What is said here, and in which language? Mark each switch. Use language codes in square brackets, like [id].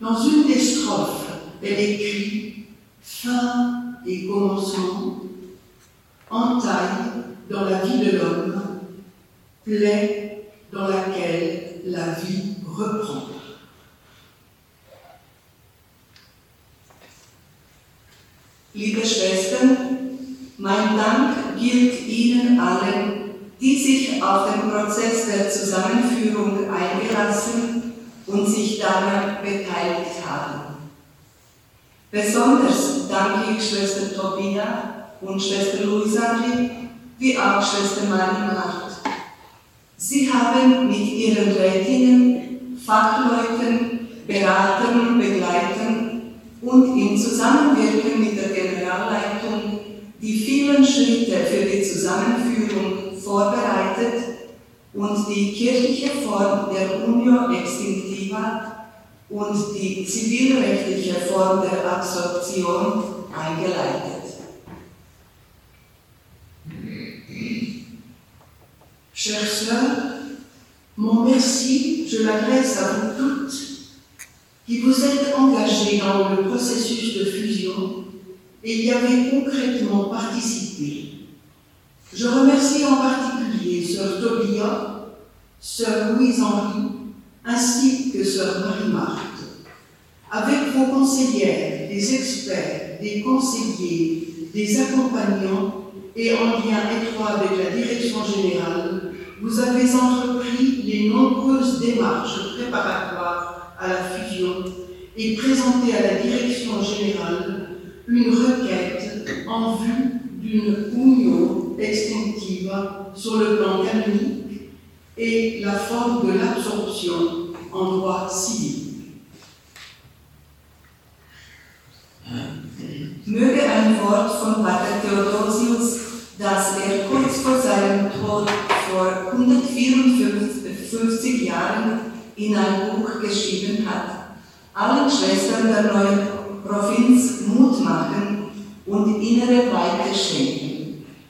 [fr] Dans une des strophes, elle écrit « Fin et commencement, entaille dans la vie de l'homme, plaie dans laquelle la vie reprend ». [de] Liebe Schwestern, mein Dank gilt Ihnen allen, die sich auf den Prozess der Zusammenführung eingelassen und sich daran beteiligt haben. Besonders danke ich Schwester Tobia und Schwester Luisandri, wie auch Schwester Marimacht. Sie haben mit ihren Rätinnen, Fachleuten, Beratern, Begleitern und im Zusammenwirken mit der Generalleitung die vielen Schritte für die Zusammenführung vorbereitet und die kirchliche Form der Unio Extinctiva und die zivilrechtliche Form der Absorption eingeleitet. [fr] Chers soeurs, mon merci, je l'adresse à vous toutes qui vous êtes engagées dans le processus de fusion et y avez concrètement participé. Je remercie en particulier Sœur Tobia, Sœur Louise-Henri, ainsi que Sœur Marie-Marthe. Avec vos conseillères, des experts, des conseillers, des accompagnants et en lien étroit avec la Direction Générale, vous avez entrepris les nombreuses démarches préparatoires à la fusion et présenté à la Direction Générale une requête en vue d'une union extinctive sur le plan canonique et la forme de l'absorption en droit civil. [de] Möge ein Wort von Pater Theodosius, das kurz vor seinem Tod vor 154 Jahren in ein Buch geschrieben hat, allen Schwestern der neuen Provinz Mut machen und innere Weite schenken.